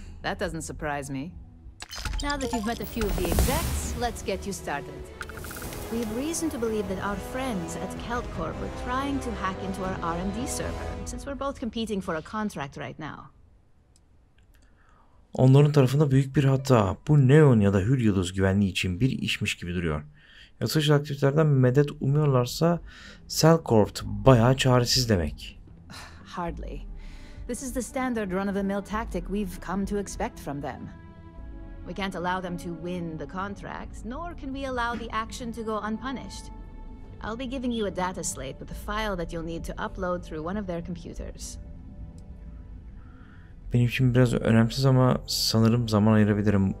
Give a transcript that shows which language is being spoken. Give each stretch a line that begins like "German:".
English: That doesn't surprise me. Now that you've met a few of the execs, let's get you started. We have reason to believe that our friends at Kelt Corp were trying to hack into our R&D server, since we're both competing for a contract right now.
Turkish: Onların tarafında büyük bir hata. Bu Neon ya da Hür Yıldız güvenliği için bir işmiş gibi duruyor. Yasal aktivitelerden medet umuyorlarsa Celcorp bayağı çaresiz demek.
English: Hardly. This is the standard run-of-the-mill tactic we've come to expect from them. We can't allow them to win the contract, nor can we allow the action to go unpunished. I'll be giving you a data slate with a file that you'll need to upload through one of their computers.
Turkish: Benim için biraz önemsiz ama sanırım zaman ayırabilirim.